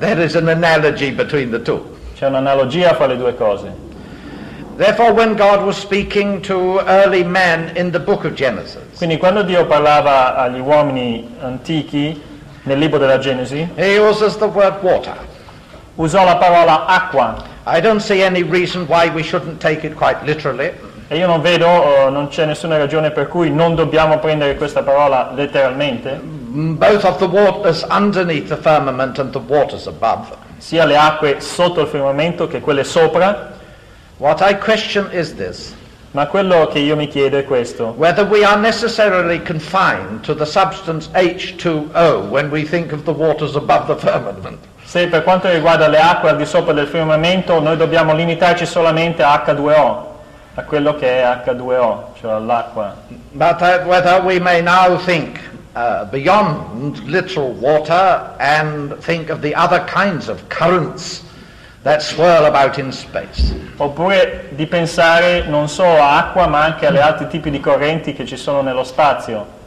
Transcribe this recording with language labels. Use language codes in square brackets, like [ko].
[en] There is an analogy between the two. [it] C'è un'analogia fra le due cose. [en] Therefore, when God was speaking to early man in the book of Genesis, [it] quindi quando Dio parlava agli uomini antichi nel libro della Genesi, [en] he uses the word water. [it] Usò la parola acqua. [en] I don't see any reason why we shouldn't take it quite literally. [it] E io non vedo, non c'è nessuna ragione per cui non dobbiamo prendere questa parola letteralmente. [en] Both of the waters underneath the firmament and the waters above. [it] Sia le acque sotto il firmamento che quelle sopra. [en] What I question is this. [it] Ma quello che io mi chiedo è questo. [en] Whether we are necessarily confined to the substance H2O when we think of the waters above the firmament. [it] Se per quanto riguarda le acque al di sopra del firmamento, noi dobbiamo limitarci solamente a H2O, a quello che è H2O, cioè all'acqua. [en] But whether we may now think beyond literal water and think of the other kinds of currents that swirl about in space. [it] Oppure di pensare non solo a acqua ma anche alle altri tipi di correnti che ci sono nello spazio.